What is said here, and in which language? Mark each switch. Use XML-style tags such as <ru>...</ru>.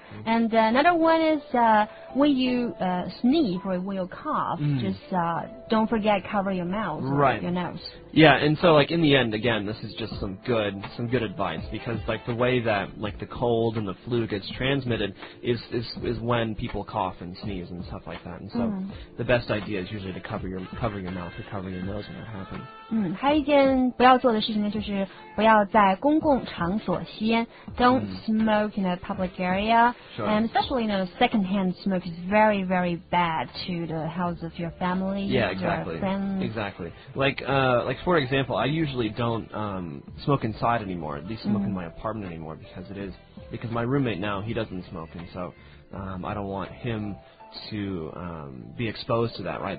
<en>And another one is when you sneeze or when you cough, just don't forget cover your mouth or your nose. Yeah, and so like in the end, again, this is just some good advice, because like the way that like the cold and the flu gets transmitted is when people cough and sneeze and stuff like that. And so the best idea is usually to cover your mouth or cover your nose when that happens.</en> <zh>还有一件不要做的事情呢，就是不要在公共场所吸烟。</zh> <en>Don't smoke in a public area. Sure. And especially, you know, secondhand smoke is very, very bad to the health of your family. Yeah, exactly. Your friends. Exactly. Like for example, I usually don't smoke inside anymore, at least smoke in my apartment anymore, because my roommate now, he doesn't smoke, and so I don't want him to be exposed to that, right?</en>